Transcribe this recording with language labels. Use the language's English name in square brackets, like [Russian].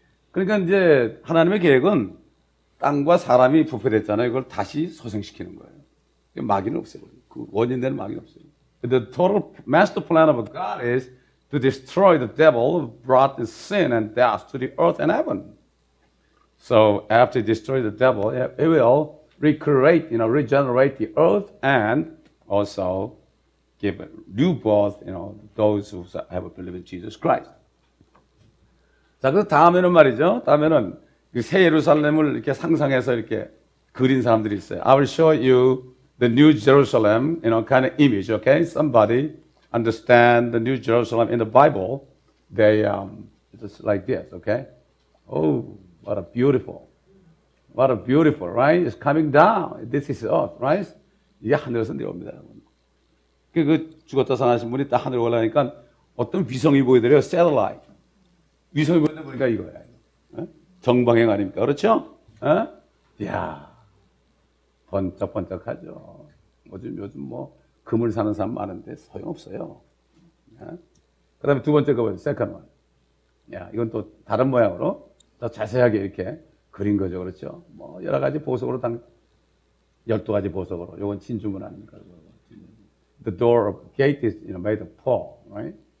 [Korean] 그러니까 이제 하나님의 계획은 땅과 사람이 부패됐잖아요. 이걸 다시 소생시키는 거예요. 마귀는 없애버려요. 그 원인 되는 망이 없어요. [English] And the total master plan of God is to destroy the devil who brought the sin and death to the earth and heaven. So after destroy the devil, it will recreate, you know, regenerate the earth and also give new birth, you know, those who have believed in Jesus Christ. [Korean] 자, 그래서 다음에는 말이죠. 다음에는 그 새 예루살렘을 이렇게 상상해서 이렇게 그린 사람들이 있어요. [English] I will show you the New Jerusalem, you know, kind of image, okay? Somebody understand the New Jerusalem in the Bible. They, it's like this, okay? Oh, what a beautiful. What a beautiful, right? It's coming down. This is earth, right? [Korean] 이게 하늘에서 내려옵니다, 여러분. 그 죽었다 살아나신 분이 딱 하늘에 올라가니까 어떤 위성이 보이더래요? [English] Satellite. [Korean] 위성이 보이는 거니까 이거야. 어? 정방향 아닙니까? 그렇죠? 이야. 번쩍번쩍하죠. 요즘 뭐, 금을 사는 사람 많은데 소용없어요. 예? 그 다음에 두 번째 가보죠. [English] Second one. [Korean] 야, 이건 또 다른 모양으로 더 자세하게 이렇게 그린 거죠. 그렇죠? 뭐, 여러 가지 보석으로 당, 열두 가지 보석으로. 요건 진주문 아닙니까? [English] The door of gate is, you know, made of pearl, right?